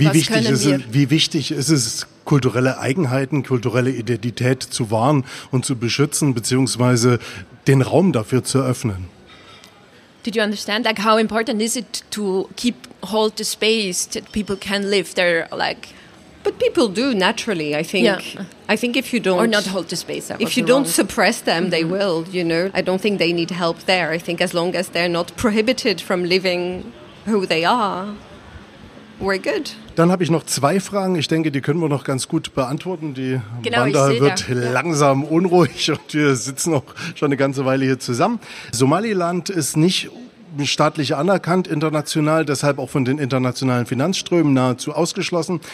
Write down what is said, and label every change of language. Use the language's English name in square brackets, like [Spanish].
[German] wie wichtig ist es, kulturelle Eigenheiten, kulturelle Identität zu wahren und zu beschützen, beziehungsweise den Raum dafür zu öffnen? [English] Did you understand? Like, how important is it to keep hold the space that people can live there, like... But people do naturally, I think. Yeah. I think if you don't... Or not hold the space. If you don't suppress them, mm-hmm. they will, you know. I don't think they need help there. I think as long as they're not prohibited from living who they are, we're good. [German] Dann habe ich noch zwei Fragen. Ich denke, die können wir noch ganz gut beantworten. Die Wanda wird langsam unruhig und wir sitzen noch schon eine ganze Weile hier zusammen. Somaliland ist nicht staatlich anerkannt international, deshalb auch von den internationalen Finanzströmen nahezu ausgeschlossen.